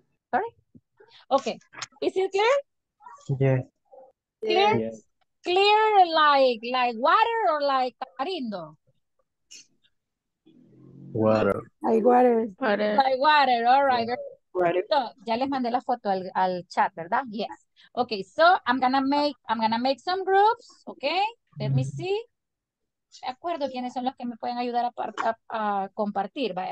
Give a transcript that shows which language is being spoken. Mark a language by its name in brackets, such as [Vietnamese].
[English] Sorry. Ok, is it clear? Yes. Clear? Yes. Clear like water or like tamarindo? Water. All right. [Spanish] So, ya les mandé la foto al chat, ¿verdad? [English] Yes. Okay, so I'm gonna make some groups, okay? Let me see. [Spanish] De acuerdo, ¿quiénes son los que me pueden ayudar a compartir?